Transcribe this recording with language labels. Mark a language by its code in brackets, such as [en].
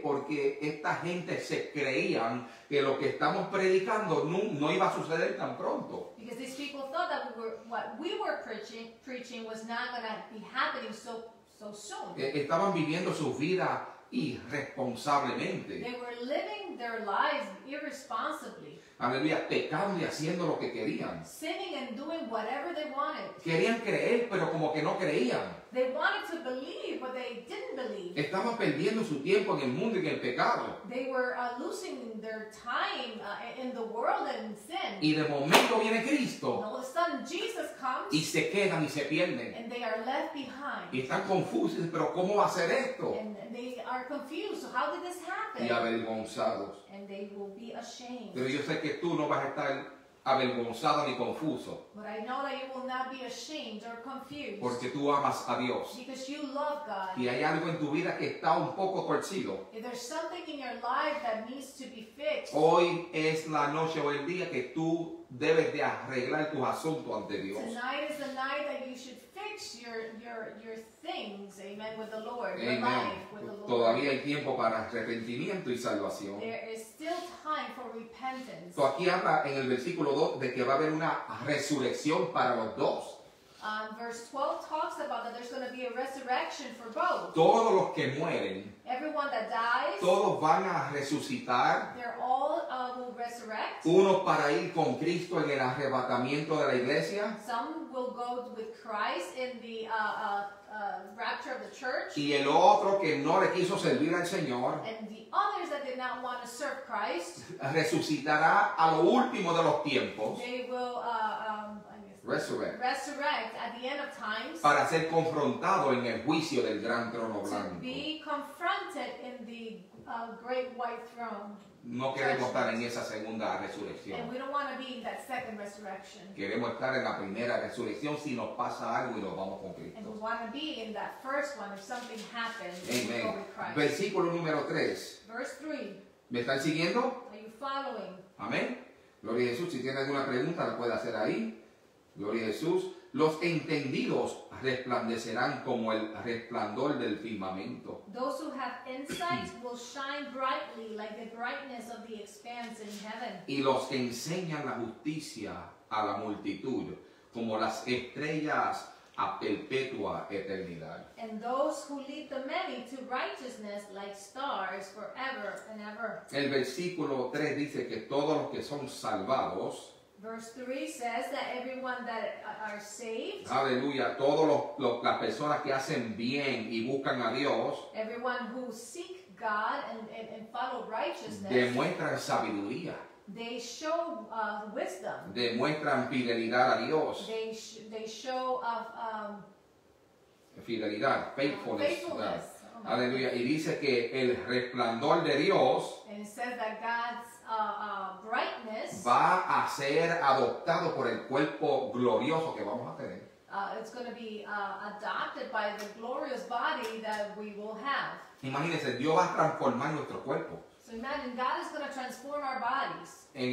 [es] Porque esta gente se creían que lo que estamos predicando no iba a suceder tan pronto. [en] Because these people thought that what we were preaching was not going to be happening so soon. [es] Estaban viviendo su vida irresponsablemente. [en] They were living their lives irresponsibly. [es] Aleluya, pecando y haciendo lo que querían. [en] Sinning and doing whatever they wanted. [es] Querían creer, pero como que no creían. [en] They wanted to believe, but they didn't believe. [es] Estaban perdiendo su tiempo en el mundo y en el pecado. [en] They were losing their time in the world and in sin. [es] Y de momento viene Cristo. [en] And all of a sudden Jesus comes. [es] Y se quedan y se pierden. [en] And they are left behind. [es] Y están confusos, pero ¿cómo va a ser esto? [en] And they are confused. So how did this happen? [es] Y avergonzados. [en] And they will be ashamed. [es] Pero yo sé que tú no vas a estar avergonzado ni confuso. [en] But I know that you will not be ashamed or confused. [es] Porque tú amas a Dios. [en] Because you love God. [es] Y hay algo en tu vida que está un poco torcido. [en] If there's something in your life that needs to be fixed. [es] Hoy es la noche o el día que tú debes de arreglar tus asuntos ante Dios. [en] Tonight is the night that you should fix your things, amen, with the Lord. Amen. Your life with the Lord. [es] Todavía hay tiempo para arrepentimiento y salvación. [en] There is still time for repentance. [es] Entonces aquí habla en el versículo 2 de que va a haber una resurrección para los dos. [en] Verse 12 talks about that there's going to be a resurrection for both. [es] Todos los que mueren, [en] everyone that dies, [es] todos van a resucitar. [en] They're all will resurrect. [es] Unos para ir con Cristo en el arrebatamiento de la iglesia. [en] Some will go with Christ in the rapture of the church. [es] Y el otro que no le quiso servir al Señor. [en] And the others that did not want to serve Christ. [es] Resucitará a lo último de los tiempos. [en] They will resurrect at the end of times, [es] para ser confrontado en el juicio del gran trono blanco. [en] To be confronted in the great white throne. [es] No queremos estar en esa segunda resurrección. [en] And we don't want to be in that second resurrection. [es] Queremos estar en la primera resurrección si nos pasa algo y nos vamos con Cristo. [en] And we want to be in that first one if something happens. Amen. With Christ. [es] Versículo número 3. [en] Verse 3. [es] ¿Me están siguiendo? [en] Are you following? [es] Amén. Gloria a Jesús. Si tienes alguna pregunta, la puedes hacer ahí. Gloria a Jesús. Los entendidos resplandecerán como el resplandor del firmamento. [en] Those who have insight will shine brightly like the brightness of the expanse in heaven. [es] Y los que enseñan la justicia a la multitud como las estrellas a perpetua eternidad. [en] And those who lead the many to righteousness like stars forever and ever. [es] El versículo 3 dice que todos los que son salvados. [en] Verse 3 says that everyone that are saved. [es] Aleluya, todos las personas que hacen bien y buscan a Dios. [en] Everyone who seek God and follow righteousness. [es] Demuestran sabiduría. [en] They show wisdom. [es] Demuestran fidelidad a Dios. [en] They show fidelidad, faithfulness. Faithfulness. [es] Oh, aleluya, y dice que el resplandor de Dios. [en] And it says that God's brightness [es] va a ser adoptado por el cuerpo glorioso que vamos a tener. [en] It's going to be adopted by the glorious body that we will have. [es] Imagínense, Dios va a transformar nuestro cuerpo. [en] So So imagine God is going to transform our bodies.